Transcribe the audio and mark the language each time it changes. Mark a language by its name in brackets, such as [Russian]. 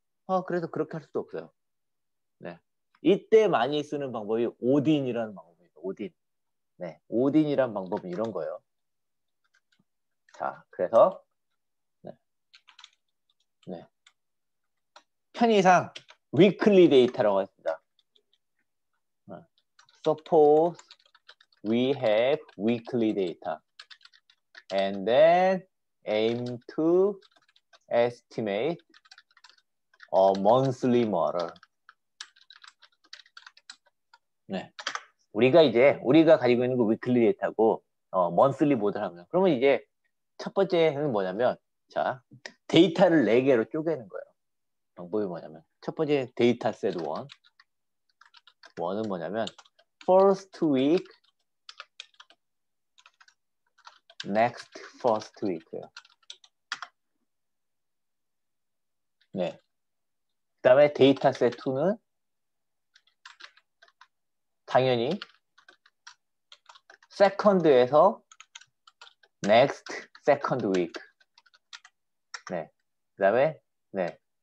[Korean] 아, 그래서 그렇게 할 수도 없어요. 네. 이때 많이 쓰는 방법이 오딘이라는 방법입니다. 오딘. 네. 오딘이란 방법은 이런 거예요. 자, 그래서. 네. 네. 편의상 위클리 데이터라고 했습니다. [English] Suppose we have weekly data and then aim to estimate a monthly model. [Korean] 네. 우리가 가지고 있는 거 위클리 데이터고 [English] monthly model [Korean] 하면 그러면 이제 첫 번째는 뭐냐면 자, 데이터를 4개로 쪼개는 거예요. 방법이 뭐냐면 첫 번째 데이터 셋 1. 1은 뭐냐면 [English] first week next first week예요. [Korean] 네. 그다음에 데이터 셋 2는 당연히 second에서 [English] next second week. [Korean] 네. 그다음에 네.